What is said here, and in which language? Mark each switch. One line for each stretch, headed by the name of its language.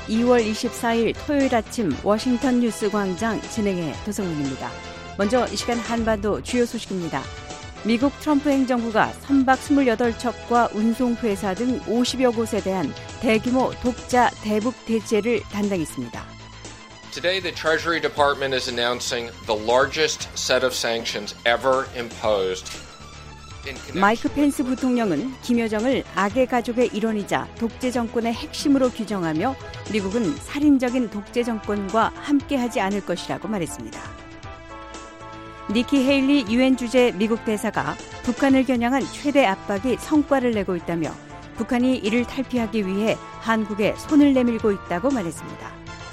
Korean: 2월 24일 토요일 아침 워싱턴 뉴스 광장 진행의 도성민입니다. 먼저 이 시간 한반도 주요 소식입니다. 미국 트럼프 행정부가 선박 28척과 운송회사 등 50여 곳에 대한 대규모 독자 대북 대체를 단행했습니다.
English: Today the Treasury Department is announcing the largest set of sanctions ever imposed.
Korean: 마이크 펜스 부통령은 김여정을 악의 가족의 일원이자 독재 정권의 핵심으로 규정하며 미국은 살인적인 독재 정권과 함께하지 않을 것이라고 말했습니다. 니키 헤일리 유엔 주재 미국 대사가 북한을 겨냥한 최대 압박이 성과를 내고 있다며 북한이 이를 탈피하기 위해 한국에 손을 내밀고 있다고 말했습니다.